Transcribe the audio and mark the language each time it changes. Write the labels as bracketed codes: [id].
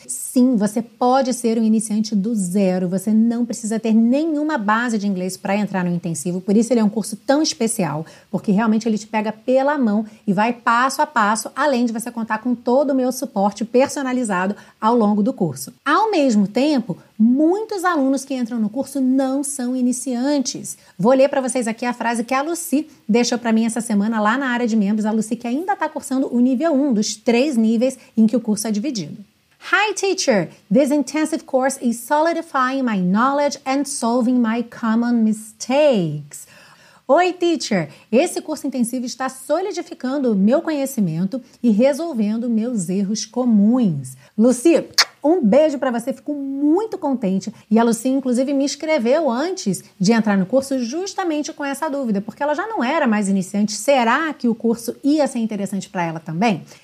[pt] Sim, você pode ser um iniciante do zero, você não precisa ter nenhuma base de inglês para entrar no intensivo, por isso ele é um curso tão especial, porque realmente ele te pega pela mão e vai passo a passo, além de você contar com todo o meu suporte personalizado ao longo do curso. Ao mesmo tempo, muitos alunos que entram no curso não são iniciantes. Vou ler para vocês aqui a frase que a Lucy deixou para mim essa semana lá na área de membros, a Lucy que ainda está cursando o nível 1 dos 3 níveis em que o curso é dividido. [en] Hi teacher, this intensive course is solidifying my knowledge and solving my common mistakes. [pt] Oi teacher, esse curso intensivo está solidificando o meu conhecimento e resolvendo meus erros comuns. Lucy, um beijo para você, fico muito contente. E a Lucy, inclusive, me escreveu antes de entrar no curso justamente com essa dúvida, porque ela já não era mais iniciante, será que o curso ia ser interessante para ela também?